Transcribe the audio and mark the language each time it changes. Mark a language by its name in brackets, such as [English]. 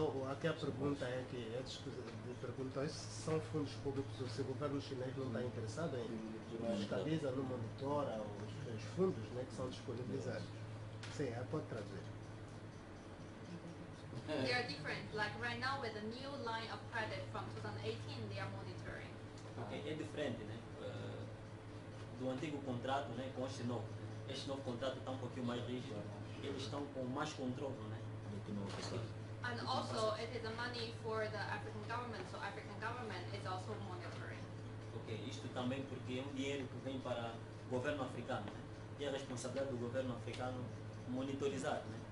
[Portuguese] Aqui a pergunta é que perguntou se são fundos públicos ou se o governo chinês não está interessado em fiscalizar, não monitora os fundos, né, que são disponibilizados. Sim, pode traduzir. [English] They are different. Like right now with a new line of credit from 2018, they are monitoring. [Portuguese] Okay, é diferente, né? Do antigo contrato, né, com este novo. Este novo contrato está um pouquinho mais rígido. Eles estão com mais controle, né? [English] And also, it is a money for the African government, so African government is also monitoring. [Portuguese] Okay, isto também porque é dinheiro que vem para o governo africano, né? E a responsabilidade do governo africano monitorizar, né?